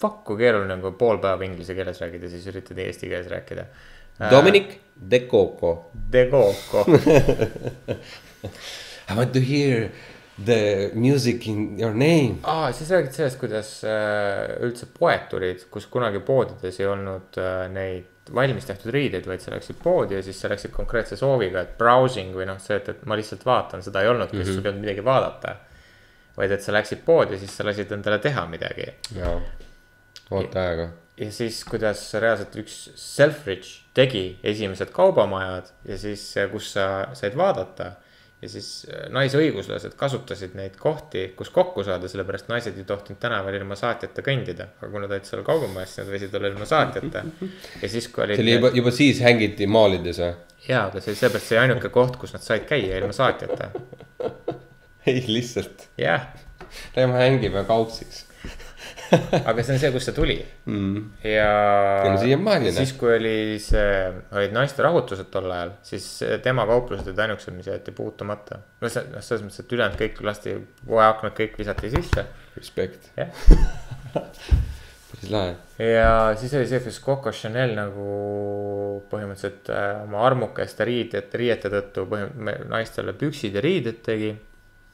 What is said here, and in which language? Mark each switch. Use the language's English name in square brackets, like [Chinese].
[Estonian] Fuck , kui keeruline on , kui pool päeva inglise keeles räägid ja siis üritad eesti keeles rääkida . Dominic de Coco . De Coco . [English] I want to hear the music in your name . [Estonian] Aa , siis räägid sellest , kuidas üldse poed tulid , kus kunagi poodides ei olnud neid valmis tehtud riideid , vaid sa läksid poodi ja siis sa läksid konkreetse sooviga , et browsing või noh , see , et ma lihtsalt vaatan , seda ei olnud , kus sul ei olnud midagi vaadata . vaid , et sa läksid poodi ja siis sa lasid endale teha midagi . Ootajaga . Ja siis , kuidas reaalselt üks Selfridge tegi esimesed kaubamajad ja siis , kus sa said vaadata . ja siis naisõiguslased kasutasid neid kohti , kus kokku saada , sellepärast naised ei tohtinud tänaval ilma saatjata kõndida . aga kuna ta olid seal kaubamajas , siis nad võisid olla ilma saatjata . ja siis , kui olid . see oli juba siis hängiti maalides või ? jaa , aga see oli sellepärast see ainuke koht , kus nad said käia ilma saatjata . ei , lihtsalt . jah . Lähme hängime kaupsiks . aga see on see , kust see tuli ja siiamaani siis , kui oli see , olid naiste rahutused tol ajal , siis tema kauplused olid ainukesed , mis jäeti puutumata . no see , selles mõttes , et ülejäänud kõik lasti , poeaknad kõik visati sisse . Respekt . jah . päris lahe . ja siis oli see , kus Coco Chanel nagu põhimõtteliselt oma armukeste riiete tõttu naistele püksid ja riided tegi .